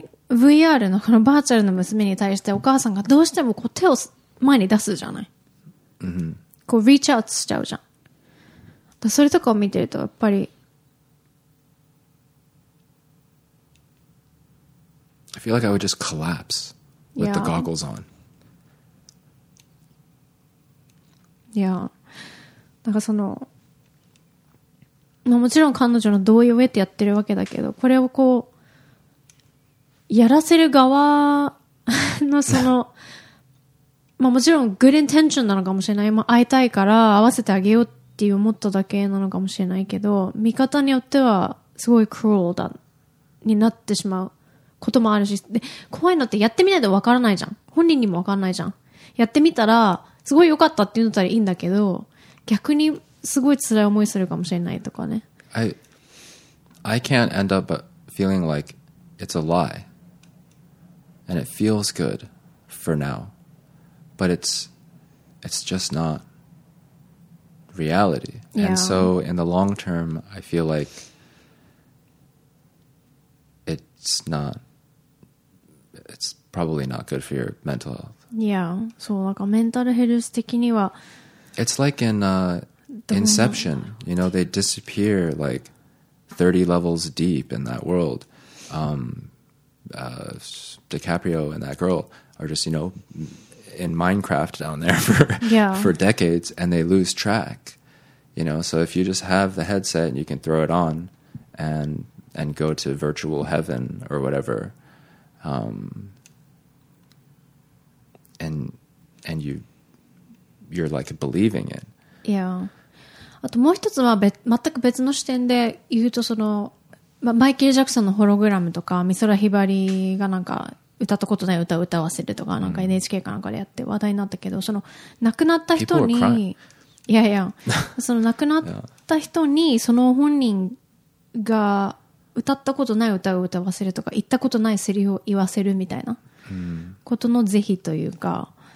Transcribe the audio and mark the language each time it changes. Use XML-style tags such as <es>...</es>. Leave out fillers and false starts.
<ja>VR のこのバーチャルの娘に対してお母さんがどうしてもこう手を前に出すじゃない、 mm-hmm. こうリーチアウトしちゃうじゃん。だそれとかを見てるとやっぱり</ja> <en>I feel like I would just collapse with、yeah. the goggles on. Yeah.</en> <ja>だからそのもちろん彼女の同意を得てやってるわけだけどこれをこうやらせる側のその、まあもちろん</ja> <en>good intention</en> <ja>なのかもしれない。まあ会いたいから会わせてあげようっていう思っただけなのかもしれないけど、見方によってはすごい cruel だ、になってしまうこともあるし、で、怖いのってやってみないとわからないじゃん。本人にもわからないじゃん。やってみたら、すごい良かったって言ったらいいんだけど、逆にすごい辛い思いするかもしれないとかね。</ja> <en>I can't end up feeling like it's a lie. And it feels good for now, but it's just not reality. Yeah. And so in the long term, I feel like it's probably not good for your mental health. Yeah. So like mental health 的には It's like in Inception, you know, they disappear like 30 levels deep in that world. DiCaprio and that girl are just, you know, in Minecraft down there for decades and they lose track, you know? So if you just have the headset and you can throw it on and go to virtual heaven or whatever, and you're like believing it. Yeah.</en> <ja>あともう一つは全く別の視点で言うとそのマイケル・ジャクソンのホログラムとか、ミソラ・ヒバリがなんか、歌ったことない歌を歌わせるとか、なんか NHK かなんかでやって話題になったけど、その亡くなった人に、いやいや、その亡くなった人に、その本人が歌ったことない歌を歌わせるとか、言ったことないセリフを言わせるみたいなことの是非というか、</ja>